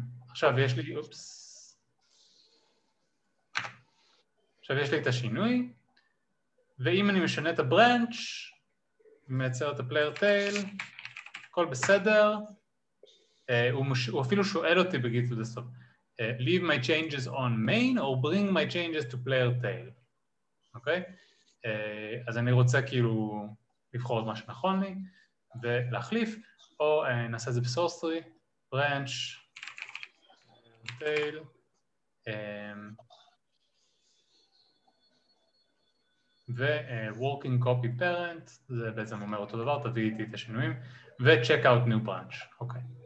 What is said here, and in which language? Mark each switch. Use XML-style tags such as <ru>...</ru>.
<he>עכשיו יש לי, אופס. עכשיו יש לי את השינוי, ואם אני משנה את הברנץ' ומייצר את הפלייר טייל, הכל בסדר. הוא אפילו שואל אותי בגיטהאב דסקטופ,</he> <en>leave my changes on main or bring my changes to player tail.</en> <he>אוקיי? אז אני רוצה כאילו לבחור את מה שנכון לי ולהחליף, או נעשה את זה בסורסטרי, branch, tail, ו-working copy parent, זה בעצם אומר אותו דבר, תביא איתי את השינויים, ו-check out new branch, אוקיי.</he>